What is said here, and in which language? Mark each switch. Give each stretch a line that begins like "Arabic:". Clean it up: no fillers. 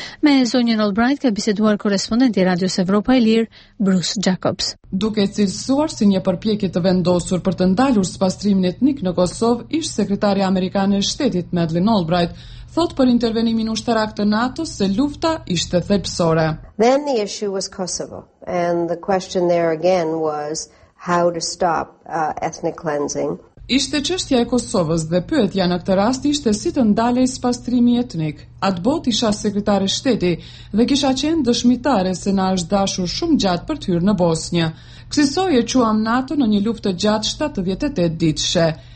Albanian: Me zonjën Albright ka biseduar korrespondenti i Radios Evropa e Lirë, Bruce Jacobs. Duke cilësuar si një përpjekje të vendosur për të ndalur spastrimin etnik në Kosovë, ish-sekretarja amerikane e shtetit, Madeleine Albright, thot për intervenimin ushtarak të NATO-s se lufta ishte thelbësore.
English: Then the issue was Kosovo, and the question there again was how to stop ethnic cleansing.
Albanian: Ishte çështja e Kosovës dhe pyetja në këtë rast ishte si të ndalej spastrimi etnik. Atë botë isha sekretare shteti dhe kisha qenë dëshmitare se na është dashur shumë gjatë për të hyrë në Bosnjë. Kësaj e quam NATO në një luftë gjatë 78 ditëshe.